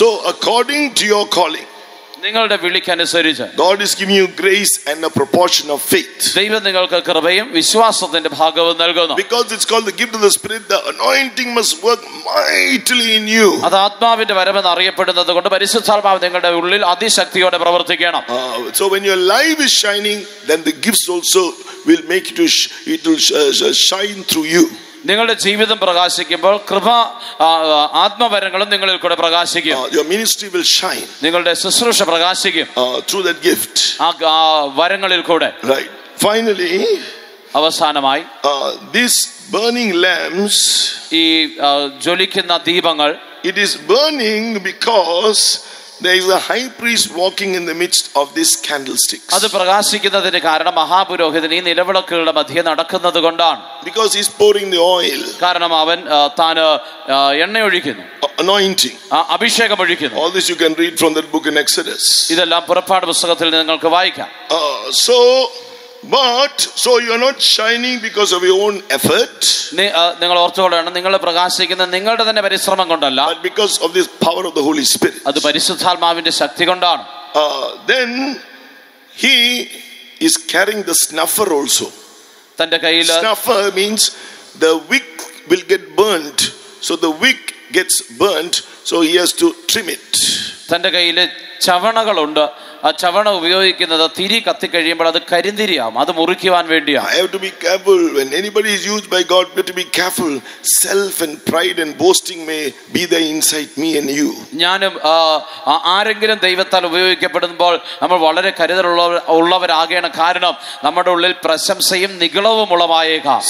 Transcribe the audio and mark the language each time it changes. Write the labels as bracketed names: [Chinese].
[English] So according to your calling, [Malayalam] നിങ്ങളുടെ വിളിക്കനുസരിച്ച് [English] God is giving you grace and a proportion of faith. [Malayalam] ദൈവം നിങ്ങൾക്ക് കൃപയും വിശ്വാസത്തിന്റെ ഭാഗവും നൽകുന്നു. [English] Because it's called the gift of the Spirit, the anointing must work mightily in you. [Malayalam] അത് ആത്മാവിന്റെ വരമെന്ന് അറിയപ്പെടുന്നതുകൊണ്ട് പരിശുദ്ധാത്മാവ് നിങ്ങളുടെ ഉള്ളിൽ അതിശക്തിയോടെ പ്രവർത്തിക്കണം. [English] So when your life is shining, then the gifts also will make it to shine through you. [Malayalam] നിങ്ങളുടെ ജീവിതം പ്രകാശിക്കുമ്പോൾ കൃപ ആത്മവരങ്ങളും നിങ്ങളിൽ കൂടെ പ്രകാശിക്കും. [English] Your ministry will shine. [Malayalam] നിങ്ങളുടെ ശുശ്രൂഷ പ്രകാശിക്കും [English] through that gift. [Malayalam] ആ വരങ്ങളിൽ കൂടെ. [English] Right. Finally, [Malayalam] അവസാനമായി [English] these burning lamps, [Malayalam] ഈ ജ്വലിക്കുന്ന ദീപങ്ങൾ, [English] it is burning because there is a high priest walking in the midst of this candlestick. [Malayalam] അത് പ്രകാശിക്കുന്നതിനെ കാരണം മഹാപുരോഹിതൻ ഈ നിലവിളക്കുകളുടെ മധ്യേ നടക്കുന്നതുകൊണ്ടാണ്. [English] Because he's pouring the oil. [Malayalam] കാരണം അവൻ താന എണ്ണ ഒഴിക്കുന്നു. [English] Anointing. [Malayalam] അഭിഷേകം ഒഴിക്കുന്നു. [English] All this you can read from that book in Exodus. [Malayalam] ഇതെല്ലാം പുറപ്പാട് പുസ്തകത്തിൽ നിങ്ങൾക്ക് വായിക്കാം. [English] So But so you are not shining because of your own effort. [Malayalam] നിങ്ങൾ ഓർത്തോളാണ് നിങ്ങൾ പ്രകാശിക്കുന്നത് നിങ്ങളുടെ തന്നെ പരിശ്രമം കൊണ്ടല്ല. [English] But because of this power of the Holy Spirit. [Malayalam] അത് പരിശുദ്ധാത്മാവിന്റെ ശക്തി കൊണ്ടാണ്. [English] Then he is carrying the snuffer also. [Malayalam] തന്റെ കയ്യിൽ [English] snuffer means the wick will get burnt. So the wick gets burnt, so he has to trim it. [Malayalam] തന്റെ കയ്യിൽ ചവണകൾ ഉണ്ട്. ആ ചവണ ഉപയോഗിക്കുന്നത് തിരി കത്തി കഴിയുമ്പോൾ അത് കരിന്തിരിയാം, അത് മുറിക്കുവാൻ വേണ്ടിയാണ്. [English] I have to be careful when anybody is used by God, but to be careful, self and pride and boasting may be there inside me and you. [Malayalam] ഞാനും ആരെങ്കിലും ദൈവത്താൽ ഉപയോഗിക്കപ്പെടുമ്പോൾ നമ്മൾ വളരെ കരുതലുള്ളവരാകേണ. കാരണം നമ്മുടെ ഉള്ളിൽ പ്രശംസയും നിഗളവും ഉളവായേക്കാം.